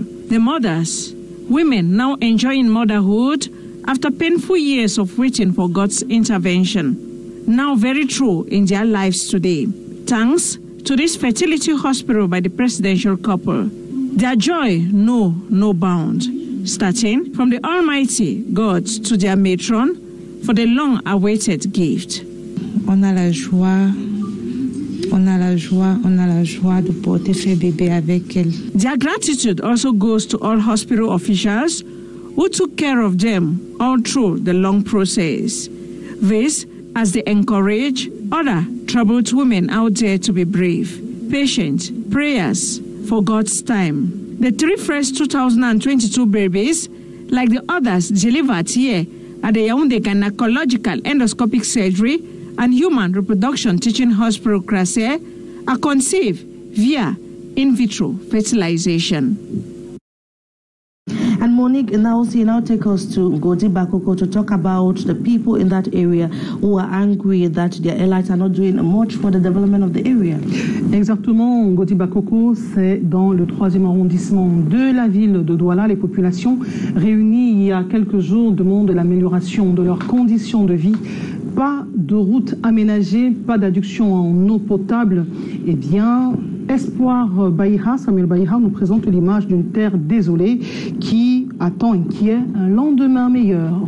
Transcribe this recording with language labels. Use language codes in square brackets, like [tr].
[en] The mothers, women now enjoying motherhood after painful years of waiting for God's intervention, now very true in their lives today. Thanks to this fertility hospital by the presidential couple, their joy know no bound, starting from the Almighty God to their matron for the long-awaited gift. [fr] On a la joie. On a la joie de porter ce bébé avec elle. [en] Their gratitude also goes to all hospital officials who took care of them all through the long process. This, as they encourage other troubled women out there to be brave, patient, prayers for God's time. The three first 2022 babies, like the others delivered here at the Yaoundé Gynecological Endoscopic Surgery and Human Reproduction Teaching Hospital, Krasé, are conceived via in vitro fertilization. And Monique Nnauzi now take us to Godi Bakoko to talk about the people in that area who are angry that their allies are not doing much for the development of the area. [fr] Exactement, Godi Bakoko, c'est dans le 3e arrondissement de la ville de Douala. Les populations réunies il y a quelques jours demandent l'amélioration de leurs conditions de vie. Pas de route aménagée, pas d'adduction en eau potable. Eh bien, Espoir Baïha, Samuel Baïha, nous présente l'image d'une terre désolée qui attend et qui est un lendemain meilleur.